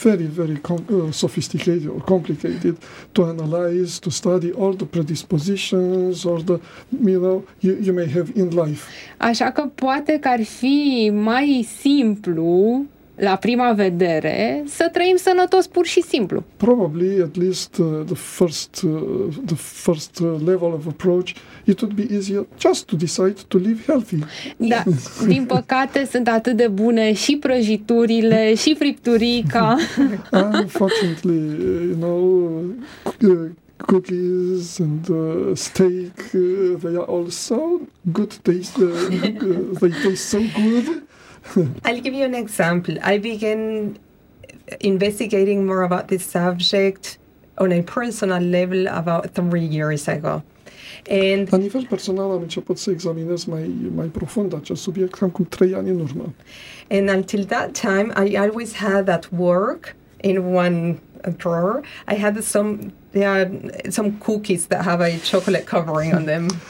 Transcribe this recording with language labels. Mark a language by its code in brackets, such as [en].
[en] Very, very sophisticated or complicated to analyze, to study all the predispositions or the, you know, you may have in life. [ro] Așa că poate că ar fi mai simplu la prima vedere, să trăim sănătos pur și simplu. [en] Probably at least the first level of approach, it would be easier just to decide to live healthy. [ro] Da, din păcate sunt atât de bune și prăjiturile și fripturica. [en] Unfortunately, you know, cookies and steak, they are all so good taste. They taste so good. I'll give you an example. I began investigating more about this subject on a personal level about 3 years ago. And [ro] la nivel personal am început să examinez mai profund acest subiect cam 3 ani în urmă. [en] And until that time, I always had at work in one drawer, I had some cookies that have a chocolate covering on them.